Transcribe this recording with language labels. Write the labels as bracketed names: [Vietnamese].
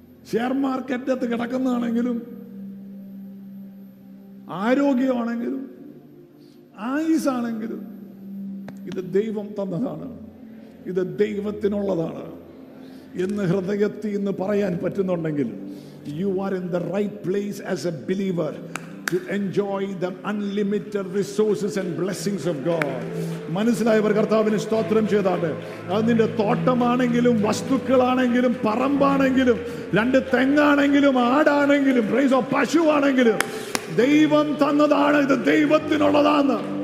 [Malayalam] Share market അകത്ത് കിടക്കുന്നതാണെങ്കിലും ആരോഗ്യമാണെങ്കിലും ആയുസാണെങ്കിലും ഇത് ദൈവം തന്നതാണ്, ഇത് ദൈവത്തിനുള്ളതാണ് എന്ന് ഹൃദയത്തിൽ നിന്ന് പറയാൻ പറ്റുന്നുണ്ടെങ്കിൽ [English] You are in the right place as a believer. to enjoy the unlimited resources and blessings of God. [Malayalam] മനസ്സിലായവർ കർത്താവിനെ സ്തോത്രം ചെയ്താട്ടെ. അതിന്റെ തോട്ടമാണെങ്കിലും വസ്തുക്കളാണെങ്കിലും പറമ്പാണെങ്കിലും രണ്ട് തെങ്ങാണെങ്കിലും ആടാണെങ്കിലും പ്രൈസ് ഓഫ് പശുവാണെങ്കിലും ദൈവം തന്നതാണ്, ഇത് ദൈവത്തിനുള്ളതാണ്.